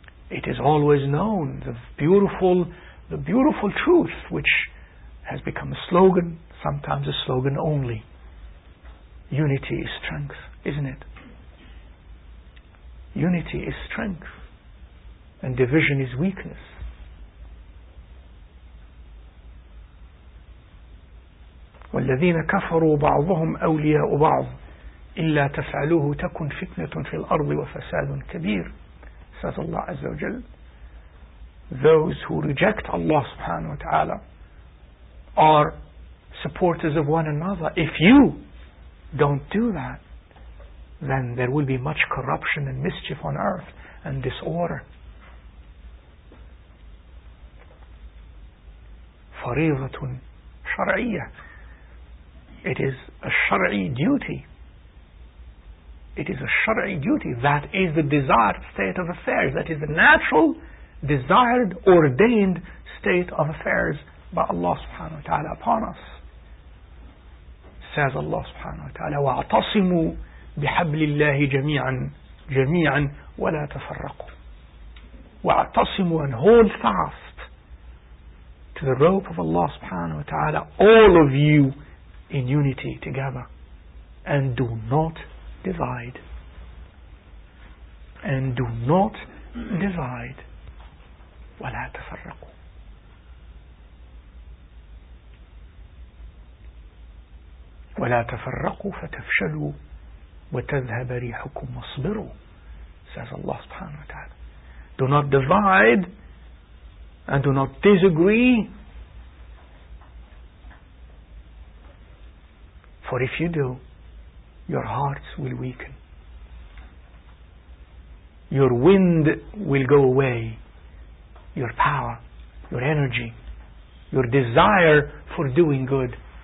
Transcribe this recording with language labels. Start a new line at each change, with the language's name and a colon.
English: It is always known, the beautiful truth, which has become a slogan, sometimes a slogan only. Unity is strength, isn't it? Unity is strength, and division is weakness.
Arabic: وَالَّذِينَ كَفَرُوا بَعْضُهُمْ أَوْلِيَاءُ بَعْضٍ إِلَّا تَفْعَلُوهُ تَكُنْ فِتْنَةٌ فِي الْأَرْضِ وَفَسَادٌ كَبِيرٌ,
English: says Allah Azza wa Jal. Those who reject Allah subhanahu wa ta'ala are supporters of one another. If you don't do that, then there will be much corruption and mischief on earth and disorder.
Arabic: فَرِيضَةٌ شَرْعِيَّةٌ,
English: it is a shar'i duty. It is a shar'i duty. That is the desired state of affairs. That is the natural, desired, ordained state of affairs by Allah subhanahu wa ta'ala upon us. Says Allah subhanahu wa ta'ala,
Arabic: وَاعْتَصِمُوا بِحَبْلِ اللَّهِ جَمِيعًا وَلَا تَفَرَّقُوا. وَاعْتَصِمُوا,
English: and hold fast to the rope of Allah subhanahu wa ta'ala, all of you, in unity together, and do not divide. And do not divide.
Arabic: ولا تفرقوا. ولا تفرقوا فتفشلوا وتذهب ريحكم واصبروا,
English: says Allah subhanahu wa ta'ala. Do not divide and do not disagree. For if you do, your hearts will weaken. Your wind will go away. Your power, your energy, your desire for doing good.